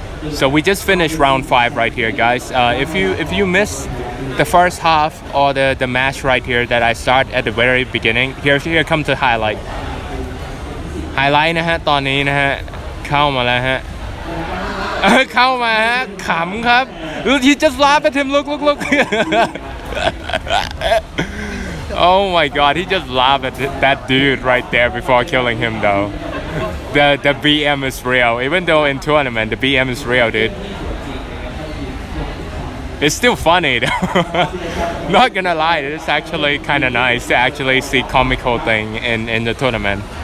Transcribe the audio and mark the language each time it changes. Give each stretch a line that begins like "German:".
English: So we just finished round 5 right here, guys. If you miss the first half or the match right here that I start at the very beginning, here comes the highlight.
Thai: Highlight นะฮะตอนนี้นะฮะเข้ามาแล้วฮะเข้ามาฮะขำครับ
English: He just laughed at him. Look. Oh my god, he just laughed at that dude right there before killing him though. The BM is real. Even though in tournament, the BM is real, dude. It's still funny though. Not gonna lie, it's actually kind of nice to actually see comical thing in the tournament.